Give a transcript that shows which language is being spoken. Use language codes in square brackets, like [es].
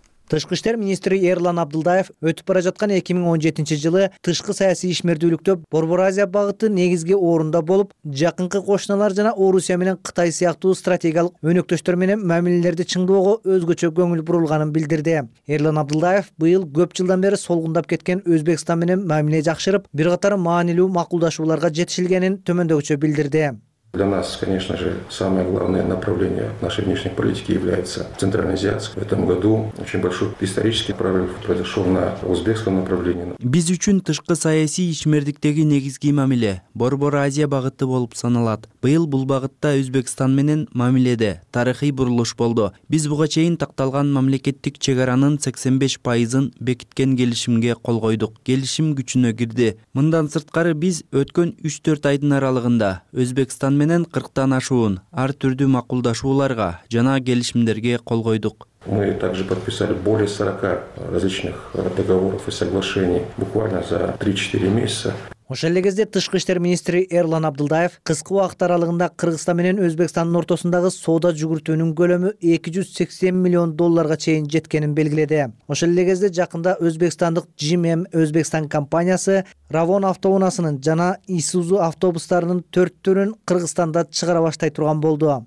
[ky] Тышкы иштер министри Эрлан Абдылдаев өтүп бара жаткан 2017 жылы тышкы саясий ишмердүүлүктө Борбор Азия багыты негизги орунда болуп, жакынкы кошуналар жана Орусия менен Кытай сыяктуу стратегиялык өнөктөштөр менен мамилелерди чыңдоого өзгөчө көңүл бурулганын билдирди. Эрлан Абдылдаев быйыл көп жылдан бери солгундап кеткен Өзбекстан менен мамиле жакшырып, бир катар маанилүү макулдашууларга жетишилгенин төмөндөгүчө билдирди. [ru] Для нас, конечно же, самое главное направление нашей внешней политики является Центральноазиатск. В этом году очень большой исторический прорыв произошел на узбекском направлении. [ky] Биз үчүн тышкы саясий ишмердиктеги негизги мамиле Борбор Азия багыты болуп саналат. Быйыл бул багытта Өзбекстан менен мамиледе тарыхый бурулуш болду. Биз буга чейин такталган мамлекеттик чек аранын 85% бекиткен келишимге кол койдук. Келишим күчүнө кирди. Мындан сырткары биз өткөн 3-4 айдын аралыгында Өзбекстан менен 40 ашуун ар түрдүү макулдашууларга жана келишимдерге кол койдук. [ru] Мы также подписали более 40 различных договоров и соглашений буквально за 3-4 месяца. [ky] Ошол эле кезде тышкы иштер министри Эрлан Абдылдаев кыскы убакыт аралыгында Кыргызстан менен Өзбекстандын ортосундагы соода жүгүртүүнүн көлөмү 280 миллион долларга чейин жеткенин белгиледи. Ошол эле кезде жакында Өзбекстандык GMM Өзбекстан компаниясы Равон автоунасынын жана Isuzu автобустарынын 4 түрүн Кыргызстанда чыгара баштай турган болду.